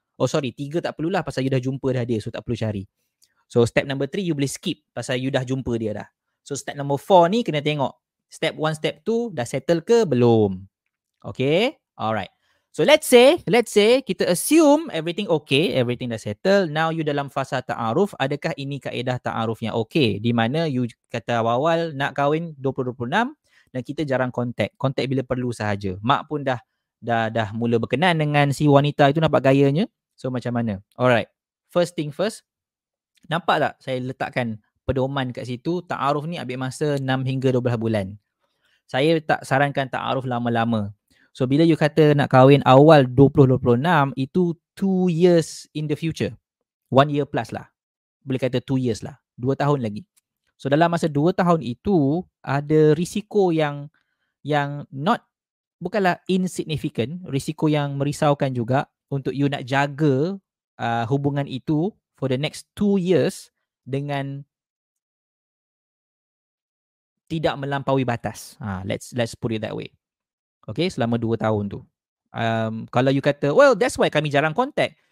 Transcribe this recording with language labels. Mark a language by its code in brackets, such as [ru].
[ms] Oh sorry, 3 tak perlulah pasal you dah jumpa dah dia, so tak perlu cari. So step number 3 you boleh skip pasal you dah jumpa dia dah. So step number 4 ni kena tengok. Step 1, step 2 dah settle ke belum? [en] Okay, alright. So let's say kita assume everything okay, everything dah settle. [ms] Now you dalam fasa ta'aruf, adakah ini kaedah ta'aruf yang okay? Di mana you kata awal-awal nak kahwin 2026 dan kita jarang contact. Contact bila perlu sahaja. Mak pun dah mula berkenan dengan si wanita itu, nampak gayanya. So macam mana? Alright. [en] First thing first. [ms] Nampak tak saya letakkan pedoman kat situ, ta'aruf ni ambil masa 6 hingga 12 bulan. Saya tak sarankan ta'aruf lama-lama. So bila you kata nak kahwin awal 2026, itu [en] 2 years in the future. 1 year plus [ms] lah. Boleh kata 2 years lah. 2 tahun lagi. So dalam masa 2 tahun itu, ada risiko yang not, bukanlah insignificant, risiko yang merisaukan juga untuk you nak jaga hubungan itu [en] for the next 2 years [ms] dengan tidak melampaui batas. [en] Let's put it that way. Okay, [ms] selama 2 tahun tu. Kalau you kata, [en] well, that's why [ms] kami jarang contact.